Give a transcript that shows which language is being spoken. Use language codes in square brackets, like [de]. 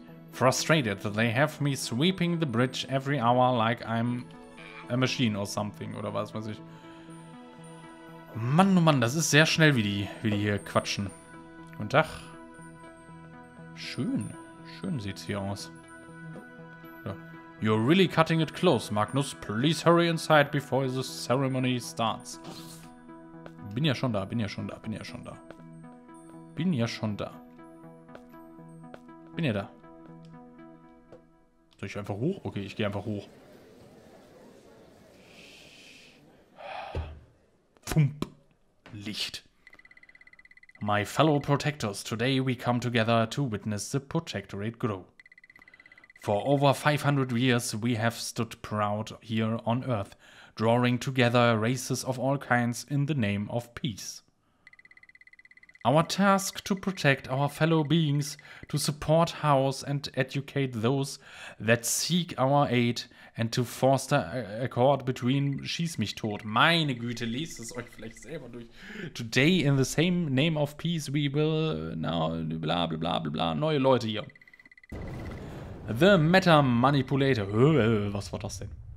[en] Frustrated that they have me sweeping the bridge every hour like I'm a machine or something. [de] Oder was weiß ich. Mann, oh Mann, das ist sehr schnell, wie die hier quatschen. Guten Tag. Schön. Schön sieht's hier aus. So. [en] You're really cutting it close, Magnus. Please hurry inside before the ceremony starts. [de] Bin ja schon da. Bin ja da. Soll ich einfach hoch? Okay, ich gehe einfach hoch. [en] Pump. Licht. My fellow protectors, today we come together to witness the protectorate grow. For over 500 years we have stood proud here on Earth, drawing together races of all kinds in the name of peace. Our task to protect our fellow beings, to support, house and educate those that seek our aid and to foster accord between [de] schieß mich tot. Meine Güte, lest es euch vielleicht selber durch. [en] Today in the same name of peace we will now bla bla bla bla bla. [de] Neue Leute hier. The Meta Manipulator. Was war das denn?